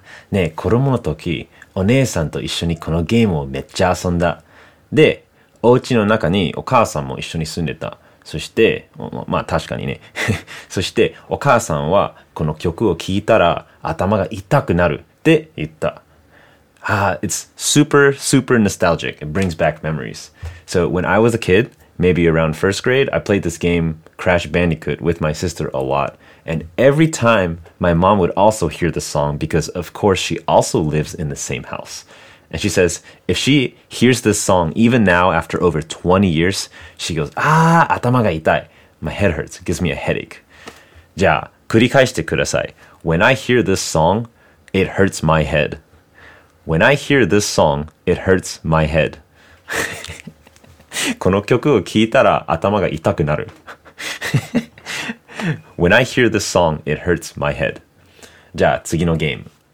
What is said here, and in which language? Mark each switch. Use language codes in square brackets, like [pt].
[ja] ねえ、子供の時、お姉さんと一緒にこのゲームをめっちゃ遊んだ。で、お家の中にお母さんも一緒に住んでた。そして、まあ確かにね。そして、お母さんはこの曲を聴いたら頭が痛くなるって言った。 [en] It's super, super nostalgic. It brings back memories. So when I was a kid, maybe around first grade, I played this game Crash Bandicoot with my sister a lot. And every time, my mom would also hear the song because, of course, she also lives in the same house. And she says, if she hears this song, even now after over 20 years, she goes, ah, [ja] 頭が痛い. [en] My head hurts. It gives me a headache. [ja] じゃあ、繰り返してください. [en] When I hear this song, it hurts my head. When I hear this song, it hurts my head. [ja] この曲を聞いたら頭が痛くなる。 [en] When I hear this song, it hurts my head. [ja] じゃあ次のゲーム。